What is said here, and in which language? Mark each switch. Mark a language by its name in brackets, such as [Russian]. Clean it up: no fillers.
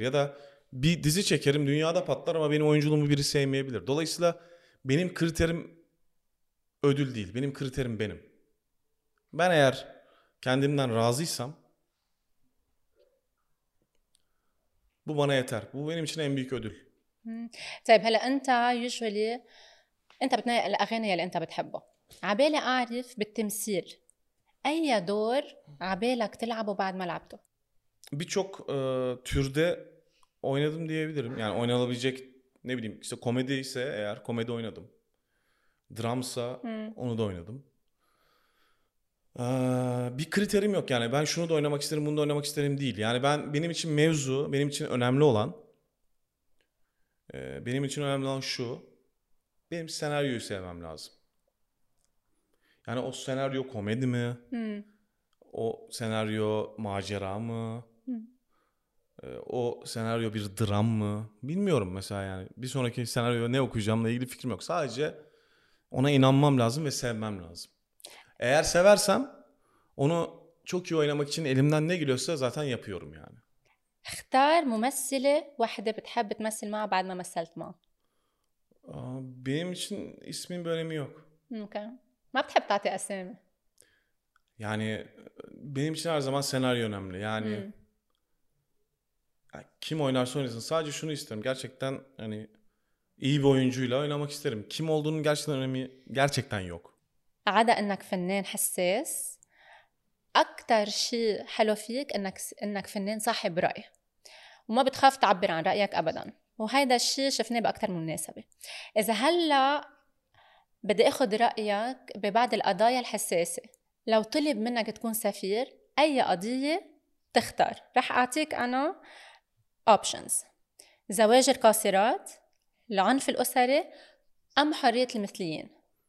[Turkish] Ya da bir dizi çekerim dünyada patlar ama benim oyunculuğumu biri sevmeyebilir. Dolayısıyla benim kriterim ödül değil. Benim kriterim benim. Ben eğer kendimden razıysam bu bana yeter. Bu benim için en büyük ödül. [Arabic] طيب هلا انت [English] usually [Arabic] انت بتنقي الاغاني اللي انت بتحبه. عبالي اعرف بالتمثيل اي دور عبالك تلعبه بعد ما لعبته؟ [Turkish] Birçok türde oynadım diyebilirim. Yani oynanabilecek ne bileyim işte komedi ise eğer komedi oynadım. Dramsa onu da oynadım. Bir kriterim yok yani. Ben şunu da oynamak isterim, bunu da oynamak isterim değil. Yani benim için mevzu, benim için önemli olan Benim için önemli olan şu, benim senaryoyu sevmem lazım. Yani o senaryo komedi mi? O senaryo macera mı? O senaryo bir dram mı? Bilmiyorum mesela yani. Bir sonraki senaryo ne okuyacağımla ilgili fikrim yok. Sadece ona inanmam lazım ve sevmem lazım. Eğer seversem onu çok iyi oynamak için elimden ne geliyorsa zaten yapıyorum yani. [Arabic] اختار ممثلة واحدة بتحب تمثل معها بعد ما مثلت معها. [Turkish] Benim için ismin bir önemi yok. [English] Okay. [Arabic] ما بتحب تعطي أسامي. [Turkish] Yani benim için her zaman senaryo önemli. Yani kim oynarsa oynasın. Sadece şunu isterim. Gerçekten hani iyi bir oyuncuyla oynamak isterim. Kim olduğunun gerçekten önemi gerçekten yok. [Arabic] عدا إنك فنان حساس، أكتر شيء حلو فيك إنك فنان صاحب رأي وما بتخاف تعبر عن رأيك أبدا، وهذا الشيء شفناه بأكتر من مناسبة. إذا هلا بدي أخذ رأيك ببعض القضايا الحساسة، لو طلب منك تكون سفير أي قضية تختار؟ رح أعطيك أنا options: زواج القاصرات، العنف الأسري، أم حرية المثليين.